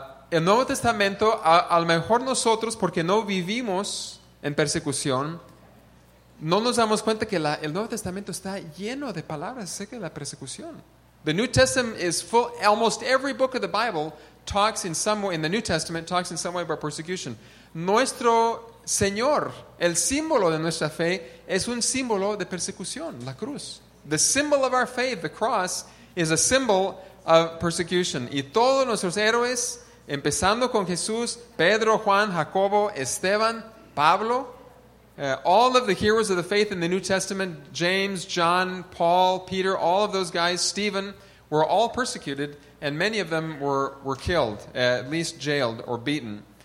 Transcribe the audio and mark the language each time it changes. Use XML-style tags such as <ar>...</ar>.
<es>El Nuevo Testamento, a lo mejor nosotros, porque no vivimos en persecución, no nos damos cuenta que el Nuevo Testamento está lleno de palabras acerca de la persecución.</es> <en>The New Testament is full, almost every book of the Bible talks in some way, in the New Testament, talks in some way about persecution.</en> <es>Nuestro Señor, el símbolo de nuestra fe, es un símbolo de persecución, la cruz.</es> <en>The symbol of our faith, the cross, is a symbol of persecution.</en> <es>Y todos nuestros héroes, empezando con</es> <en>Jesús, Pedro, Juan, Jacobo, Esteban, Pablo, all of the heroes of the faith in the New Testament, James, John, Paul, Peter, all of those guys, Stephen, were all persecuted, and many of them were killed, at least jailed or beaten.</en>